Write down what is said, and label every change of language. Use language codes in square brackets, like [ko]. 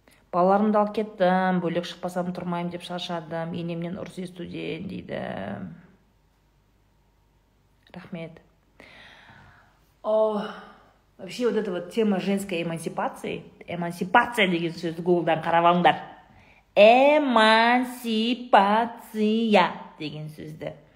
[kk] Балларымды алып кеттім, бөлек шықпасам тұрмайым деп шаршадым. Енемнен ұрыс естуден дейді. Рахмет. [ru] О, вообще вот эта вот тема женской эмансипации. [kk] Эмансипация деген сөзді Google-дан қарап алыңдар. Эмансипация деген сөзді.